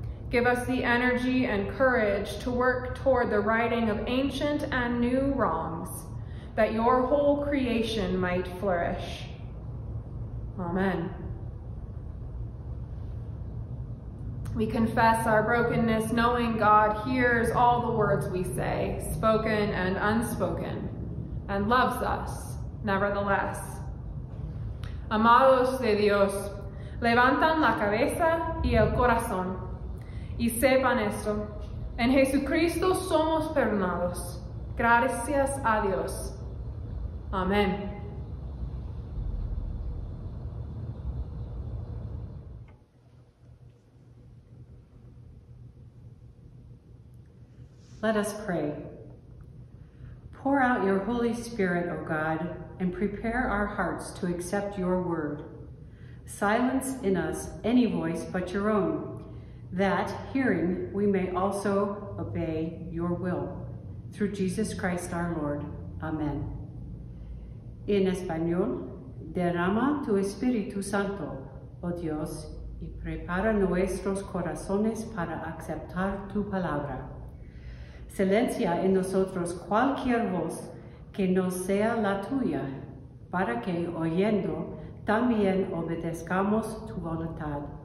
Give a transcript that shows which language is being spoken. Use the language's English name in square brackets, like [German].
[English] Give us the energy and courage to work toward the righting of ancient and new wrongs, that your whole creation might flourish. Amen. We confess our brokenness, knowing God hears all the words we say, spoken and unspoken, and loves us nevertheless. [Spanish] Amados de Dios, levantan la cabeza y el corazón, y sepan esto, en Jesucristo somos perdonados. Gracias a Dios. Amén. [English] Let us pray. Pour out your Holy Spirit, O God, and prepare our hearts to accept your word. Silence in us any voice but your own, that, hearing, we may also obey your will. through Jesus Christ our Lord. Amen. [Spanish] En español, derrama tu Espíritu Santo, oh Dios, y prepara nuestros corazones para aceptar tu palabra. Silencia en nosotros cualquier voz que no sea la tuya, para que oyendo también obedezcamos tu voluntad.